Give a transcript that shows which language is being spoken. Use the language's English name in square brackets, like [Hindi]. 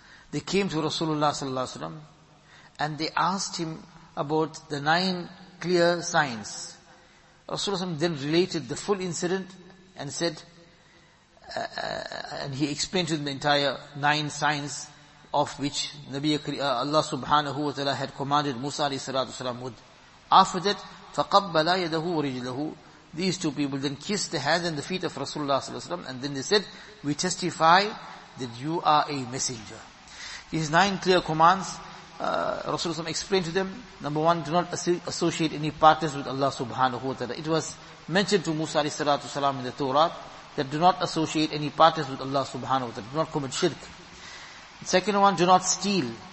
[English] They came to Rasulullah and they asked him about the 9 clear signs. Rasulullah then related the full incident and said, and he explained to them the entire 9 signs of which Allah subhanahu wa ta'ala had commanded Musa alayhi salatu wasalam would. After that, [Arabic] فَقَبَّلَا يَدَهُ وَرِجْلَهُ. [English] These two people then kissed the hands and the feet of Rasulullah and then they said, we testify that you are a messenger. These 9 clear commands, Rasulullah explained to them. Number 1, do not associate any partners with Allah subhanahu wa ta'ala. It was mentioned to Musa alayhi salatu wasalam in the Torah that do not associate any partners with Allah subhanahu wa ta'ala. Do not commit shirk. Second one, do not steal.